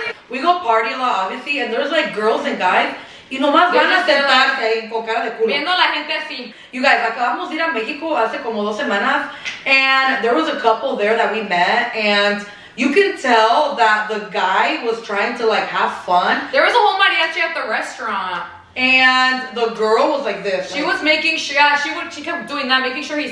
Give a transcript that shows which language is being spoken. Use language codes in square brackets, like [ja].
[en] We go party a lot, obviously, and there's like girls and guys. [es] Y nomás van a sentarse ahí con cara de culo. Viendo la gente así. [en] You guys, [es] acabamos de ir a México hace como dos semanas. [en] And there was a couple there that we met. And you can tell that the guy was trying to like have fun. There was a whole mariachi at the restaurant. And the girl was like this. She like, was making sure. Yeah, she would. She kept doing that, making sure he's.